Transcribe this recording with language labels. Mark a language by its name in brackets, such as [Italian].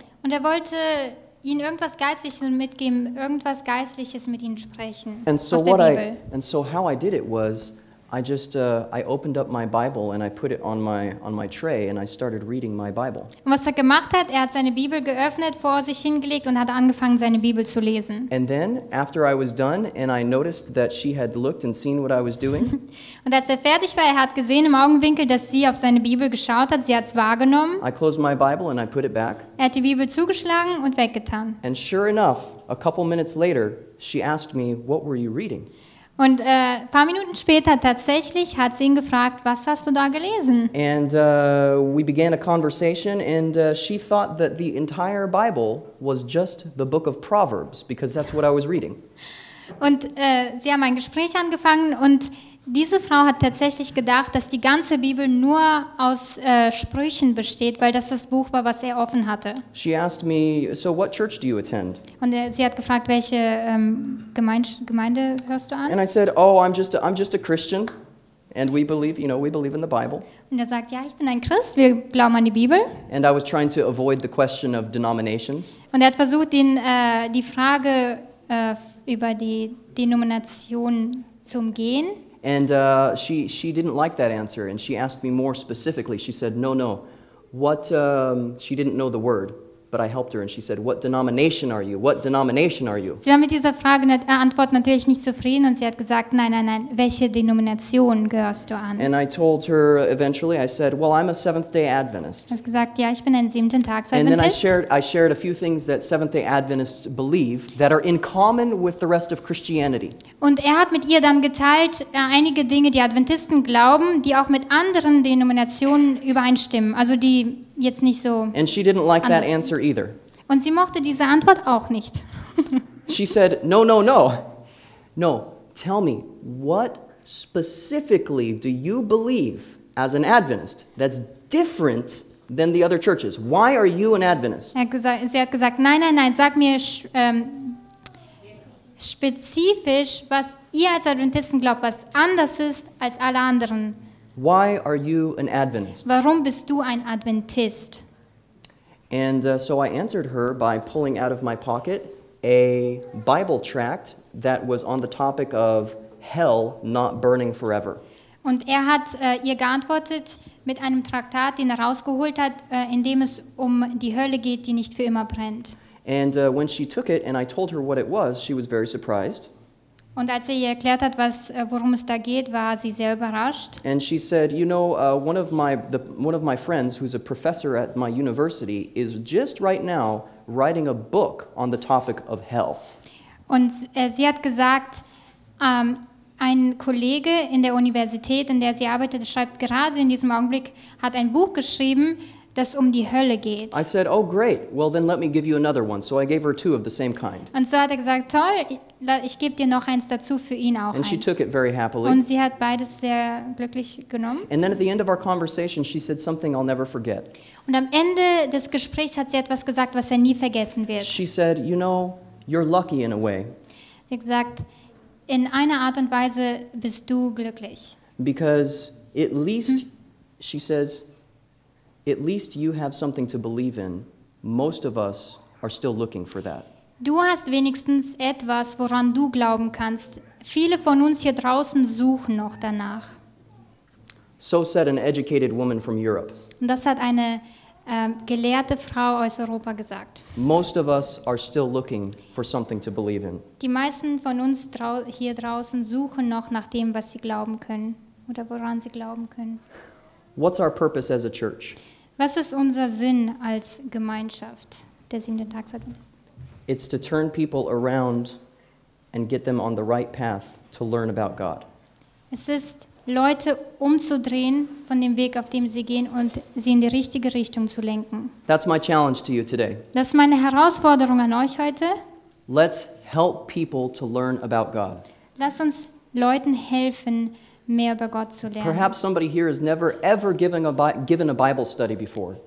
[German] Und er wollte ihnen irgendwas Geistliches mitgeben, irgendwas Geistliches mit ihnen sprechen [English] and [German] aus [English] so [German] der [English] what [German] Bibel. [English] And so how I did it was I just I opened up my Bible and I put it on my tray and I started reading my Bible. [German] Und was er gemacht hat, er hat seine Bibel geöffnet, vor sich hingelegt und hat angefangen seine Bibel zu lesen. [English] And then after I was done and I noticed that she had looked and seen what I was doing. [German] Und als er fertig war, er hat gesehen im Augenwinkel, dass sie auf seine Bibel geschaut hat, sie hat es wahrgenommen. [English] I closed my Bible and I put it back. [German] Er hat die Bibel zugeschlagen und weggetan. [English] And sure enough, a couple minutes later, she asked me, "What were you reading?" [German] Und ein paar Minuten später tatsächlich hat sie ihn gefragt, was hast du da gelesen? [English] And we began a conversation and she thought that the entire Bible was just the book of Proverbs because that's what I was reading. [German] Und sie haben ein Gespräch angefangen und diese Frau hat tatsächlich gedacht, dass die ganze Bibel nur aus Sprüchen besteht, weil das das Buch war, was er offen hatte. [English] She asked me, so what church do you attend? [German] Und sie hat gefragt, welche Gemeinde hörst du an? [English] And I said, oh, I'm just a Christian, and we believe in the Bible. [German] Und er sagt, ja, ich bin ein Christ, wir glauben an die Bibel. [English] And I was trying to avoid the question of denominations. [German] Und er hat versucht, die Frage über die Denomination zu umgehen. [English] And she didn't like that answer, and she asked me more specifically. She said, no, what, she didn't know the word, but I helped her, and she said, what denomination are you? [German] Sie war mit dieser Frage, Antwort natürlich nicht zufrieden, und sie hat gesagt, nein, welche Denomination gehörst du an? [English] And I told her eventually, I said, well, I'm a Seventh-day Adventist. [German] Sie hat gesagt, ja, ich bin ein Siebenten-Tags-Adventist. [English] And then I shared a few things that Seventh-day Adventists believe that are in common with the rest of Christianity. [German] Und er hat mit ihr dann geteilt einige Dinge, die Adventisten glauben, die auch mit anderen Denominationen übereinstimmen. Also die jetzt nicht so. [English] And she didn't like anders. That answer either. [German] Und sie mochte diese Antwort auch nicht. [English] She said, no. No, tell me, what specifically do you believe as an Adventist that's different than the other churches? Why are you an Adventist? [German] Sie hat gesagt, nein, sag mir spezifisch, was ihr als Adventisten glaubt, was anders ist als alle anderen. [English] Why are you an Adventist? [German] Warum bist du ein Adventist? [English] And so I answered her by pulling out of my pocket a Bible tract that was on the topic of hell not burning forever. [German] Und er hat ihr geantwortet mit einem Traktat, den er rausgeholt hat, in dem es um die Hölle geht, die nicht für immer brennt. [English] And when she took it and I told her what it was, she was very surprised. [German] Und als er ihr erklärt hat, worum es da geht, war sie sehr überrascht. [English] And she said, one of my friends who's a professor at my university is just right now writing a book on the topic of hell. [German] Und sie hat gesagt, ein Kollege in der Universität, in der sie arbeitet, schreibt gerade in diesem Augenblick, hat ein Buch geschrieben, das um die Hölle geht. [English] I said, oh great, well then let me give you another one. So I gave her two of the same kind. [German] Und so hat er gesagt, toll, ich gebe dir noch eins dazu für ihn auch. [English] And [German] eins. [English] She took it very happily. [German] Und sie hat beides sehr glücklich genommen. [English] And then at the end of our conversation, she said something I'll never forget. [German] Und am Ende des Gesprächs hat sie etwas gesagt, was er nie vergessen wird. [English] She said, you know, you're lucky in a way. [German] Sie hat gesagt, in einer Art und Weise bist du glücklich. [English] Because at least, she says, at least you have something to believe in. Most of us are still looking for that. [German] Du hast wenigstens etwas, woran du glauben kannst. Viele von uns hier draußen suchen noch danach. [English] So said an educated woman from Europe. [German] Und das hat eine gelehrte Frau aus Europa gesagt. [English] Most of us are still looking for something to believe in. [German] Die meisten von uns hier draußen suchen noch nach dem, was sie glauben können oder woran sie glauben können. [English] What's our purpose as a church? [German] Was ist unser Sinn als Gemeinschaft der Siebenten-Tags-Adventisten? [English] It's to turn people around and get them on the right path to learn about God. [German] Es ist Leute umzudrehen von dem Weg, auf dem sie gehen, und sie in die richtige Richtung zu lenken. [English] That's my challenge to you today. [German] Das ist meine Herausforderung an euch heute. [English] Let's help people to learn about God. [German] Lass uns Leuten helfen, mehr über Gott zu lernen. [English] Perhaps somebody here has never ever given a Bible study before.